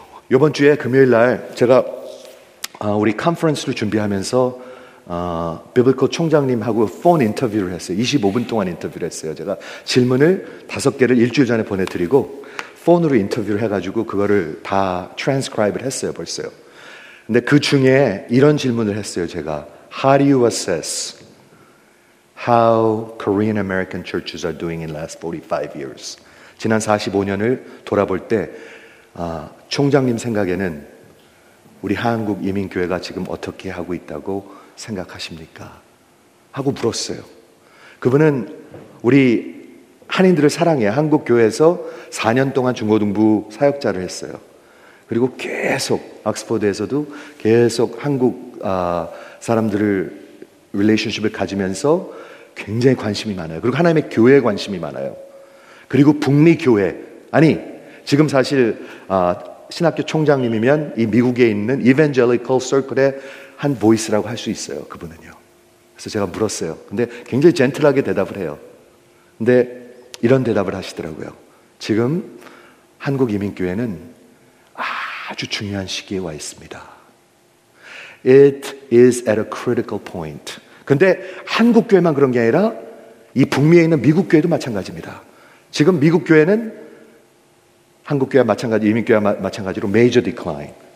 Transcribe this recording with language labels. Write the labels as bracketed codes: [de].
[ko] 이번 주에 금요일 날 제가 우리 컨퍼런스를 준비하면서 Biblical 총장님하고 폰 인터뷰를 했어요. 25분 동안 인터뷰를 했어요. 제가 질문을 5개를 일주일 전에 보내드리고 폰으로 인터뷰를 해가지고 그거를 다 트랜스크라이브를 했어요. 벌써요. 근데 그 중에 이런 질문을 했어요. 제가 [en] How do you assess how Korean American churches are doing in the last 45 years? [ko] 지난 45년을 돌아볼 때 총장님 생각에는 우리 한국 이민교회가 지금 어떻게 하고 있다고 생각하십니까? 하고 물었어요. 그분은 우리 한인들을 사랑해요. 한국 교회에서 4년 동안 중고등부 사역자를 했어요. 그리고 계속 옥스퍼드에서도 계속 한국 사람들을 릴레이션십을 가지면서 굉장히 관심이 많아요. 그리고 하나님의 교회에 관심이 많아요. 그리고 북미 교회 아니 지금 사실 신학교 총장님이면 이 미국에 있는 Evangelical Circle의 한 보이스라고 할 수 있어요. 그분은요. 그래서 제가 물었어요. 근데 굉장히 젠틀하게 대답을 해요. 근데 이런 대답을 하시더라고요. 지금 한국 이민교회는 아주 중요한 시기에 와 있습니다. [en] It is at a critical point. [ko] 근데 한국 교회만 그런 게 아니라 이 북미에 있는 미국 교회도 마찬가지입니다. 지금 미국 교회는 한국 교회와 마찬가지, 이민 교회와 마찬가지로 메이저 디클라인.